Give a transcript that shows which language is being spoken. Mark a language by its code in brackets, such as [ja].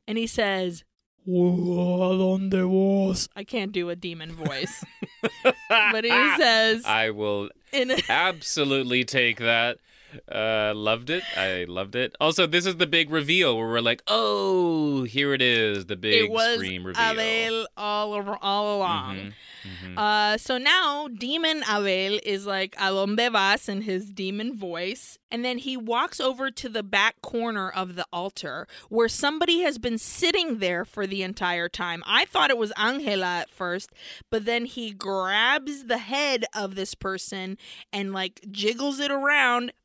[en] And he says, I can't do a demon voice. But he says, I will absolutely take that. I loved it. Also, this is the big reveal where we're like, oh, here it is, the big scream reveal. It was Abel all along. Mm-hmm. Mm-hmm. So now demon Abel is like, [es] ¿a dónde vas? [en] In his demon voice. And then he walks over to the back corner of the altar where somebody has been sitting there for the entire time. I thought it was Angela at first, but then he grabs the head of this person and like jiggles it around.